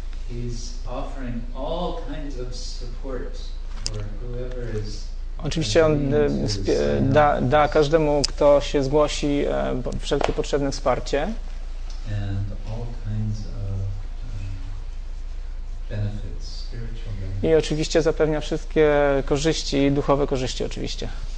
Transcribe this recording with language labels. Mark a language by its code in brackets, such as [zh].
[en] He's offering all kinds of support for whoever is. [pl] Oczywiście on da każdemu, kto się zgłosi, wszelkie potrzebne wsparcie. [en] And all kinds of benefits, spiritual benefits. [pl] I oczywiście zapewnia wszystkie korzyści, duchowe korzyści oczywiście.